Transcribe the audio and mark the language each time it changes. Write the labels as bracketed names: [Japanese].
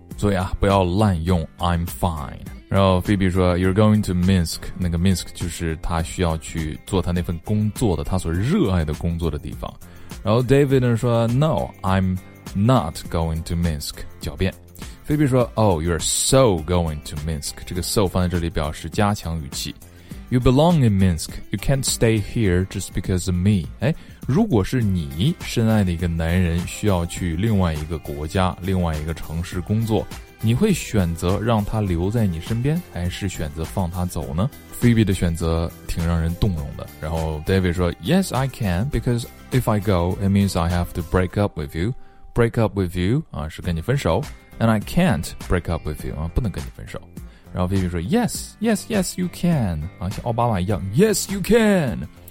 [Chinese] 所以啊，不要滥用 [English] I'm fine。 [Chinese] 然后 Phoebe 说 ， [English] You're going to Minsk， [Chinese] 那个 Minsk 就是他需要去做他那份工作的，他所热爱的工作的地方。然后 [English] David [Chinese] 呢说 [English] ，No, I'm not going to Minsk。 [Chinese] 狡辩。 [English] Phoebe [Chinese] 说 [English] Oh, you're so going to Minsk. [Chinese] 这个 so 放在这里表示加强语气。 [English] You belong in Minsk. You can't stay here just because of me. [Chinese] 哎，如果是你深爱的一个男人需要去另外一个国家，另外一个城市工作，你会选择让他留在你身边，还是选择放他走呢？ Phoebe 的选择挺让人动容的。然后 [English] David [Chinese] 说 [English] Yes, I can, because if I go, it means I have to break up with you. Break up with you, [Chinese] 啊，是跟你分手。 [English] And I can't break up with you, [Chinese] 不能跟你分手。然后 [English] Phoebe [Chinese] 说 [English] Yes, yes, yes, you can, [Chinese] 像奥巴马一样 [English] Yes, you can.